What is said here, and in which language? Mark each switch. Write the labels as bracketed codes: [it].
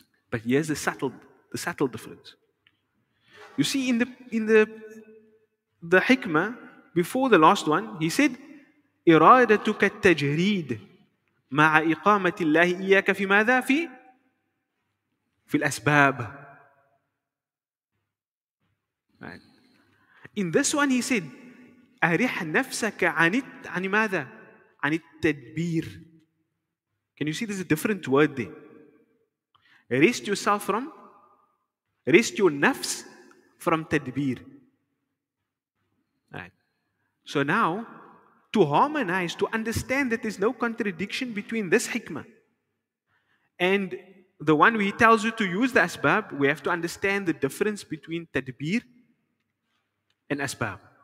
[en] But here's the subtle difference. You see, in the hikmah, before the last one, he said, [ar] إرادتك التجريد مع إقامة الله إياك في ماذا في؟ في الأسباب. [en] Right. In this one, he said, [ar] أريح نفسك عن ماذا؟ عن التدبير. [en] Can you see there's a different word there? Rest yourself from, rest your nafs from tadbir. Right. So now, to harmonize, to understand that there's no contradiction between this hikmah and the one where he tells you to use the asbab, we have to understand the difference between tadbir and asbab.